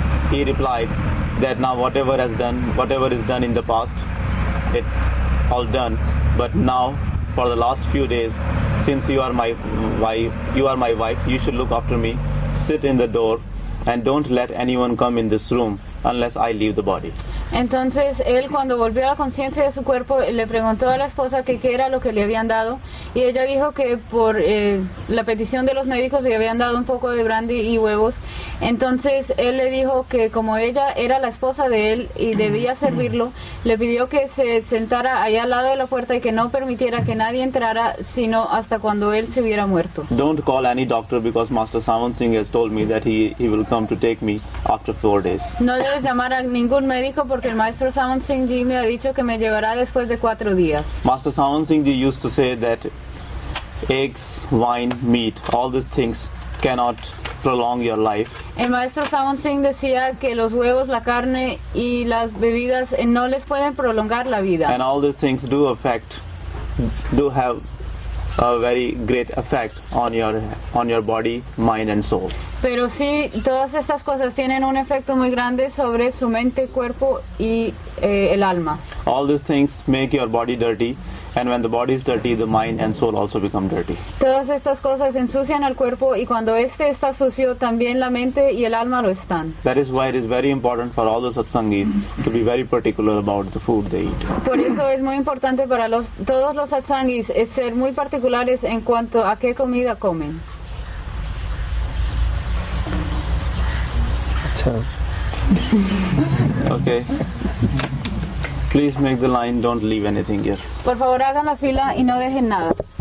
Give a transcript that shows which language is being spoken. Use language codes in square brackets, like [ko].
[en] He replied that now whatever is done in the past, it's all done, but now for the last few days since you are my wife, you are my wife, you should look after me, sit in the door and don't let anyone come in this room unless I leave the body. [es] Entonces él, cuando volvió a la conciencia de su cuerpo, le preguntó a la esposa que qué era lo que le habían dado, y ella dijo que por la petición de los médicos le habían dado un poco de brandy y huevos. Entonces él le dijo que como ella era la esposa de él y debía servirlo, le pidió que se sentara allá al lado de la puerta y que no permitiera que nadie entrara sino hasta cuando él se hubiera muerto. [en] Don't call any doctor because Master Saman Singh has told me that he will come to take me after 4 days. [es] No debes llamar a ningún médico porque el maestro Saman Singh Ji me ha dicho que me llevará después de 4 días. [en] Master Saman Singh Ji used to say that eggs, wine, meat, all these things cannot prolong your life. [es] El maestro Saman Singh decía que los huevos, la carne y las bebidas no les pueden prolongar la vida. [en] And all these things do affect, do have a very great effect on your body, mind and soul. [es] Pero sí, todas estas cosas tienen un efecto muy grande sobre su mente, cuerpo y el alma. [en] All these things make your body dirty, and when the body is dirty, the mind and soul also become dirty. [es] Todas estas cosas ensucian al cuerpo, y cuando este está sucio, también la mente y el alma lo están. [en] That is why it is very important for all the satsangis to be very particular about the food they eat. [es] Por eso es muy importante para todos los satsangis ser muy particulares en cuanto a qué comida comen. [en] Okay. Please make the line, don't leave anything here. [es] Por favor, hagan la fila y no dejen nada.